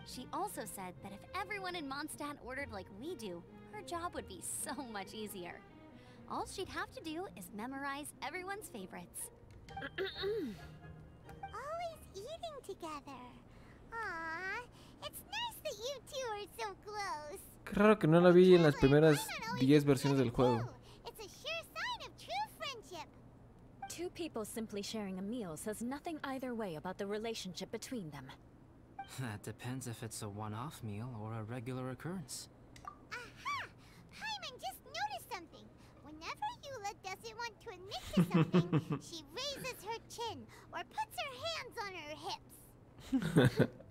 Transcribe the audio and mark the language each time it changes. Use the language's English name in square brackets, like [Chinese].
[English] She also said that if everyone in Mondstadt ordered like we do, her job would be so much easier. All she'd have to do is memorize everyone's favorites. Eating together. Aww, it's nice that you two are so close. [Spanish] Qué raro que no la vi en las primeras 10 versiones del juego. [English] It's a sure sign of true friendship. Two people simply sharing a meal says nothing either way about the relationship between them. That depends if it's a one-off meal or a regular occurrence. Aha! Paimon just noticed something. Whenever Eula doesn't want to admit to something, she raises her chin or puts her hands on her hips.